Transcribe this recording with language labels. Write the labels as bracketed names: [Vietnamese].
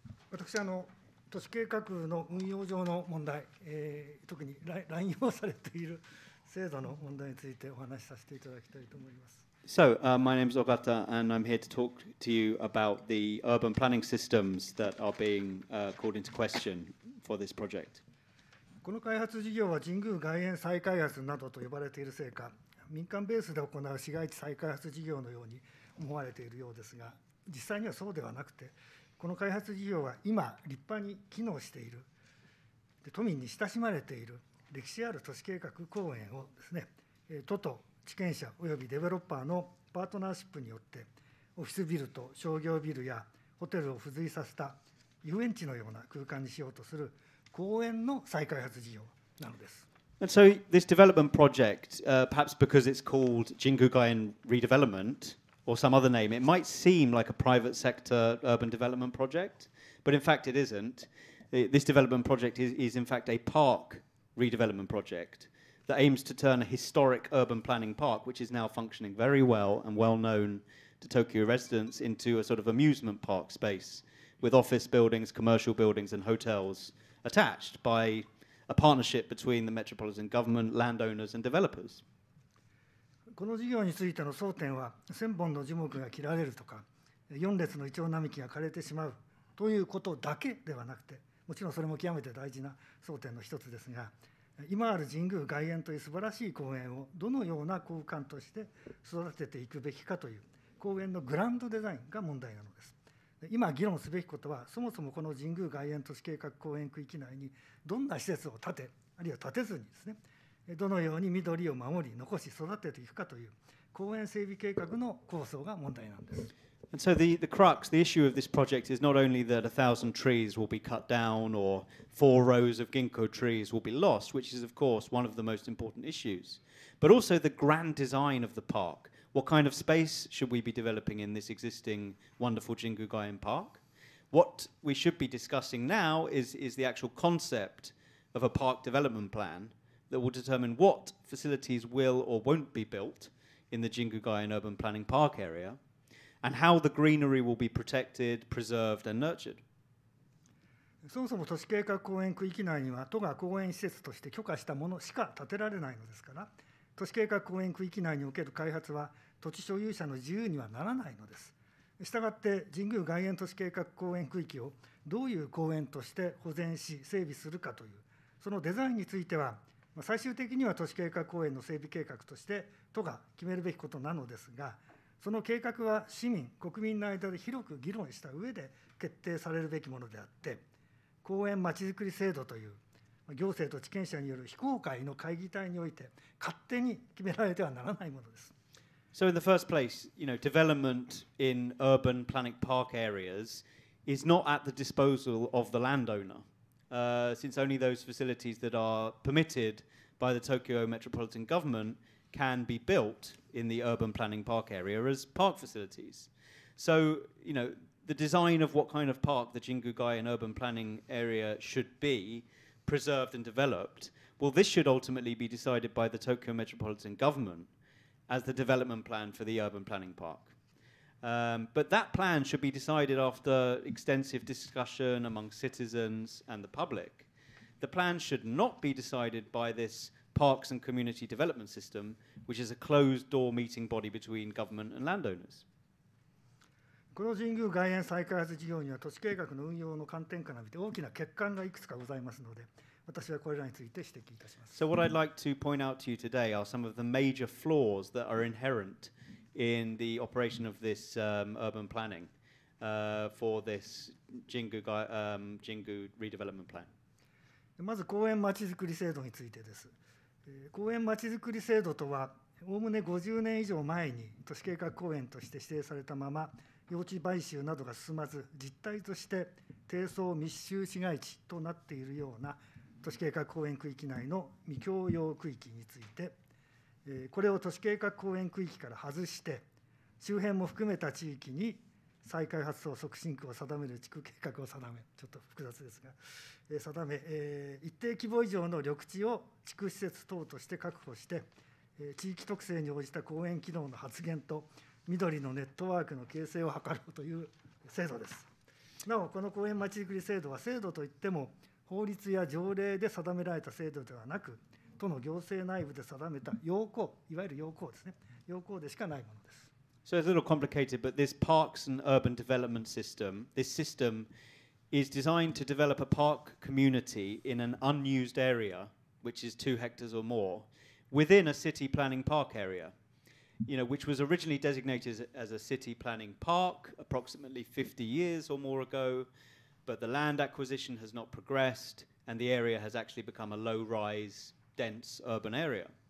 [Japanese] 私は都市計画の運用上の問題、特に乱用されている制度の問題についてお話しさせていただきたいと思います。 [English] So, my name is Ohkata, and I'm here to talk to you about the urban planning systems that are being, called into question for this project. [Japanese] この開発事業は神宮外苑再開発などと呼ばれているせいか、民間ベースで行う市街地再開発事業のように思われているようですが、実際にはそうではなくて、この開発事業は今立派に機能している、で都民に親しまれている歴史ある都市計画公園をですね、都と地権者およびデベロッパーのパートナーシップによって、オフィスビルと商業ビルやホテルを付随させた遊園地のような空間にしようとする公園の再開発事業なのです。 [English] And so this development project, perhaps because it's called Jingu Gaien Redevelopment or some other name, it might seem like a private sector urban development project, but in fact it isn't. This development project is in fact a park redevelopment project that aims to turn a historic urban planning park, which is now functioning very well and well known to Tokyo residents, into a sort of amusement park space with office buildings, commercial buildings and hotels. Attached by a partnership between the metropolitan government, landowners, and developers. [Japanese] この事業についての争点は、千本の樹木が切られるとか、四列のイチョウ並木が枯れてしまうということだけではなくて、もちろんそれも極めて大事な争点の一つですが、今ある神宮外苑という素晴らしい公園をどのような空間として育てていくべきかという公園のグランドデザインが問題なのです。今議論すべきことは、そもそもこの神宮外苑都市計画公園区域内にどんな施設を建て、あるいは建てずにですね、どのように緑を守り残し育てていくかという公園整備計画の構想が問題なんです。 [English] And so the crux, the issue of this project is not only that 1,000 trees will be cut down or 4 rows of ginkgo trees will be lost, which is of course one of the most important issues, but also the grand design of the park. What kind of space should we be developing in this existing wonderful Jingu Gaien Park? What we should be discussing now is the actual concept of a park development plan that will determine what facilities will or won't be built in the Jingu Gaien Urban Planning Park area and how the greenery will be protected, preserved and nurtured. [Japanese] そもそも都市計画公園区域内には都が公園施設として許可したものしか建てられないのですから、都市計画公園区域内における開発は土地所有者の自由にはならないのです。したがって神宮外苑都市計画公園区域をどういう公園として保全し整備するかという、そのデザインについては、最終的には都市計画公園の整備計画として都が決めるべきことなのですが、その計画は市民、国民の間で広く議論した上で決定されるべきものであって、公園まちづくり制度という行政と地権者による非公開の会議体において勝手に決められてはならないものです。 [English] So in the first place, you know, development in urban planning park areas is not at the disposal of the landowner, since only those facilities that are permitted by the Tokyo Metropolitan Government can be built in the urban planning park area as park facilities. So, you know, the design of what kind of park the Jingu Gaien urban planning area should be preserved and developed, well, this should ultimately be decided by the Tokyo Metropolitan Government as the development plan for the urban planning park. But that plan should be decided after extensive discussion among citizens and the public. The plan should not be decided by this parks and community development system, which is a closed door meeting body between government and landowners. [Japanese] この神宮外苑再開発事業には都市計画の運用の観点から見て大きな欠陥がいくつかございますので、私はこれらについて指摘いたします。 [English] So what I'd like to point out to you today are some of the major flaws that are inherent in the operation of this urban planning for this Jingu redevelopment plan. [Japanese] まず公園まちづくり制度についてです。公園まちづくり制度とは、おおむね50年以上前に都市計画公園として指定されたまま、用地買収などが進まず、実態として低層密集市街地となっているような都市計画公園区域内の未共用区域について、これを都市計画公園区域から外して、周辺も含めた地域に再開発を促進区を定める地区計画を定め、ちょっと複雑ですが、定め、一定規模以上の緑地を地区施設等として確保して、地域特性に応じた公園機能の発現と、緑のネットワークの形成を図ろうという制度です。なお、この公園まちづくり制度は制度といっても、法律や条例で定められた制度ではなく、都の行政内部で定めた要項、いわゆる要項ですね、要項でしかないものです。 [English] So it's a little complicated, but this parks and urban development system, this system is designed to develop a park community in an unused area, which is 2 hectares or more, within a city planning park area, you know, which was originally designated as a city planning park approximately 50 years or more ago, but the land acquisition has not progressed and the area has actually become a low-rise, dense urban area.